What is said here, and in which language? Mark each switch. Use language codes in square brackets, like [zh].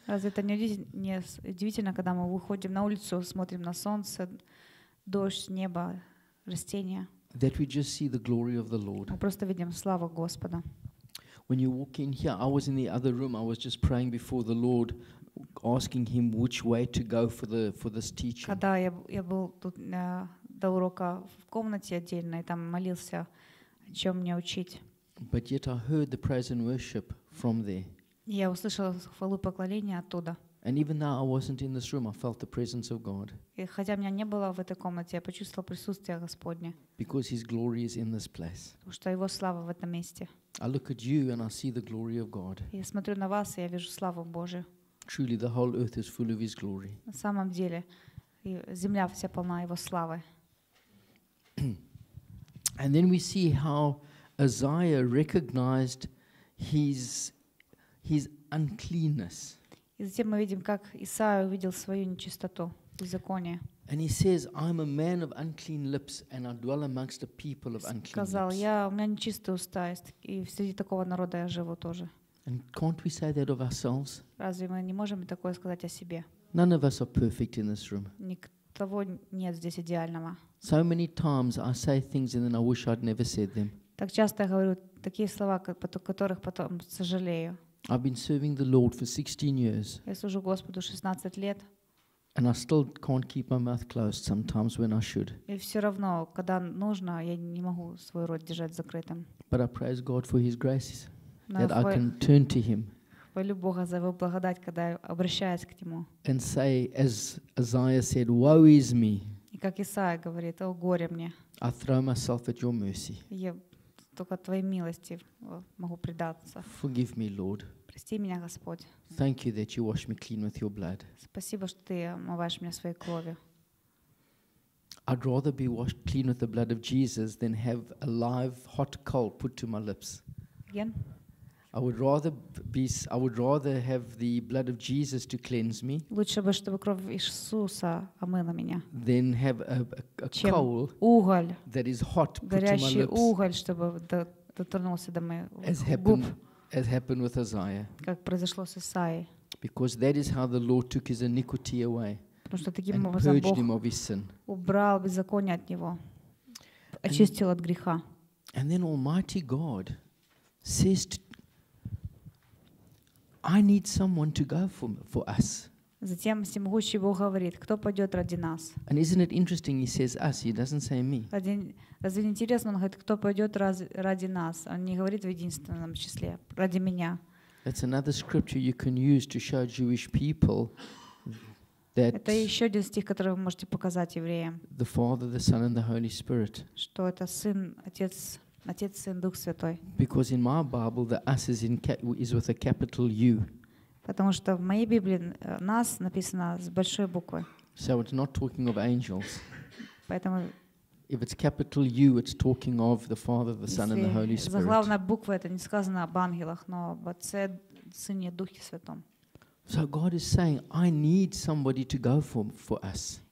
[ru] Разве это не удивительно, когда мы выходим на улицу, смотрим на солнце, дождь, небо, растения? [en] That we just see the glory of the Lord. [ru] Мы просто видим славу Господа. [en] When you walk in here, I was in the other room. I was just praying before the Lord, asking him which way to go for this teaching. [ru] Когда я был тут до урока в комнате отдельной, там молился. Чем мне учить? [en] But yet I heard the praise and worship from there. [ru] Я услышала хвалу и поклонение оттуда. [en] And even though I wasn't in this room, I felt the presence of God. [ru] И хотя меня не было в этой комнате, я почувствовала присутствие Господне. [en] Because His glory is in this place. [ru] Потому что Его слава в этом месте. [en] I look at you and I see the glory of God. [ru] Я смотрю на вас и я вижу славу Божию. [en] Truly, the whole earth is full of His glory. [ru] На самом деле, земля вся полна Его славы. [en] And then we see how Isaiah recognized his uncleanness. [ru] И затем мы видим, как Исаия увидел свою нечистоту, беззаконие. [en] And he says, "I'm a man of unclean lips, and I dwell amongst a people of unclean lips." [ru] Сказал: "Я у меня нечистые уста, и среди такого народа я живу тоже." [en] And can't we say that of ourselves? [ru] Разве мы не можем такое сказать о себе? [en] None of us are perfect in this room. [ru] Никого нет здесь идеального. [en] So many times I say things and then I wish I'd never said them. [ru] Так часто я говорю такие слова, которых потом сожалею. [en] I've been serving the Lord for 16 years. [ru] Я служу Господу 16 лет. [en] And I still can't keep my mouth closed sometimes when I should. [ru] И все равно, когда нужно, я не могу свой рот держать закрытым. [en] But I praise God for His grace that I can turn to Him. [ru] Хвалю Бога за Его благодать, когда я обращаюсь к Нему. [en] And say, as Isaiah said, "Woe is me." [ru] И как Исаия говорит: о, горе мне. [en] I throw myself at your mercy. [ru] Я только твоей милости могу предаться. [en] Forgive me, Lord. [ru] Прости меня, Господь. [en] Thank you that you wash me clean with your blood. [ru] Спасибо, что ты омываешь меня своей кровью. [en] I'd rather be washed clean with the blood of Jesus than have a live hot coal put to my lips. Again? I would rather have the blood of Jesus to cleanse me. [ru] Лучше бы, чтобы кровь Иисуса омыла меня. [en] Then have a coal [ru] уголь, [en] that is hot put to my lips. [ru] Горящий уголь, чтобы дотронулся до моих губ. [en] As happened with Isaiah. [ru] Как произошло с Исаией. [en] Because that is how the Lord took his iniquity away. [ru] Потому что таким образом Бог убрал беззаконие от него, очистил от греха. [en] And then Almighty God says to I need someone to go for us. [ru] Затем всемогущий Бог говорит: кто пойдет ради нас? [en] And isn't it interesting? He says us. He doesn't say me. [ru] Разве не интересно? Он говорит: кто пойдет ради нас? Он не говорит в единственном числе: ради меня. [en] That's another scripture you can use to show Jewish people that. [ru] Это еще один стих, который вы можете показать евреям. [en] The Father, the Son, and the Holy Spirit. [ru] Что это Сын, Отец, Отец, Сын, Дух Святой. [en] Because in my Bible the us is in is with a capital U. [ru] Потому что в моей Библии нас написано с большой буквы. [en] So it's not talking of angels. [ru] Поэтому [en] if it's capital U, it's talking of the Father, the Son, and the Holy Spirit. [ru] Заглавная буква это не сказано об ангелах, но об Отце, Сыне, Духе Святом. [en] So God is saying, I need somebody to go for us.